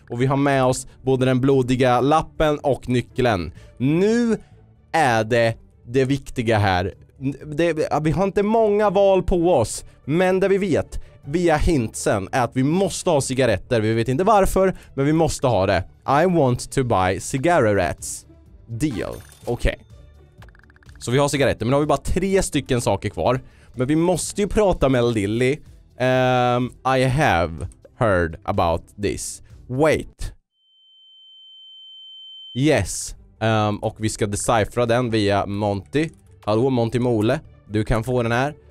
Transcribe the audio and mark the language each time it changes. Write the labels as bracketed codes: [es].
[sv] Och vi har med oss både den blodiga lappen och nyckeln. Nu är det viktiga här. Vi har inte många val på oss. Men det vi vet via hintsen är att vi måste ha cigaretter. Vi vet inte varför, men vi måste ha det. [en] I want to buy cigarettes. Deal. Okej. [sv] Så vi har cigaretter, men nu har vi bara 3 stycken saker kvar. Men vi måste ju prata med Lily. [en] I have heard about this. Wait. [sv] Yes. Och vi ska decipra den via Monty. Hallå, Monty Mole. Du kan få den här.